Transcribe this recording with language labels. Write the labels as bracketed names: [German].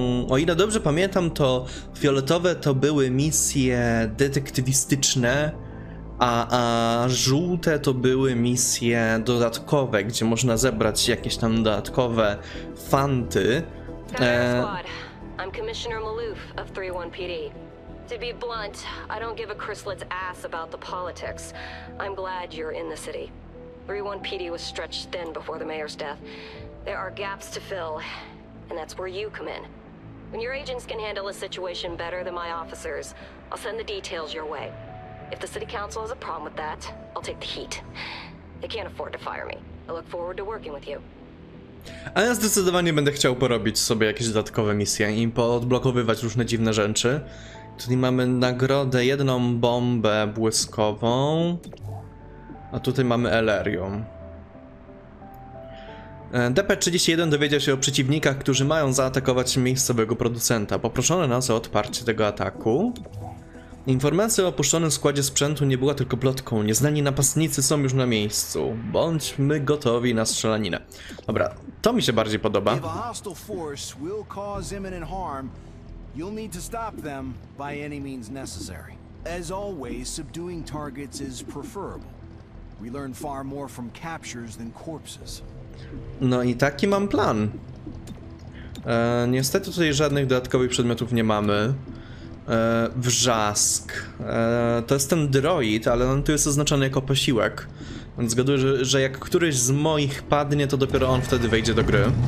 [Polish] O ile dobrze pamiętam, to fioletowe to były misje detektywistyczne, a żółte to były misje dodatkowe, gdzie można zebrać jakieś tam dodatkowe fanty. [English] Squad. I'm Commissioner Malouf of 31 PD. To be blunt, I don't give a chrysalid's ass about the politics. I'm glad you're in the city. 31 PD was stretched thin before the mayor's death. There are gaps to fill, and that's where you come in. When your agents can handle a situation better than my officers, I'll send the details your way. If the city council has a problem with that, I'll take the heat. They can't afford to fire me. I look forward to working with you. [Polish] A ja zdecydowanie będę chciał porobić sobie jakieś dodatkowe misje i poodblokowywać różne dziwne rzeczy. Tutaj mamy nagrodę, jedną bombę błyskową. A tutaj mamy Elerium. DP-31 dowiedział się o przeciwnikach, którzy mają zaatakować miejscowego producenta. Poproszono nas o odparcie tego ataku. Informacja o opuszczonym składzie sprzętu nie była tylko plotką. Nieznani napastnicy są już na miejscu. Bądźmy gotowi na strzelaninę. Dobra, to mi się bardziej podoba. [English] If a hostile force will cause imminent harm, you'll need to stop them by any means necessary. As always, subduing targets is preferable. We learn far more from captures than corpses. [Polish] No i taki mam plan. Niestety tutaj żadnych dodatkowych przedmiotów nie mamy. Wrzask. To jest ten droid, ale on tu jest oznaczony jako posiłek. Więc zgaduję, że jak któryś z moich padnie, to dopiero on wtedy wejdzie do gry.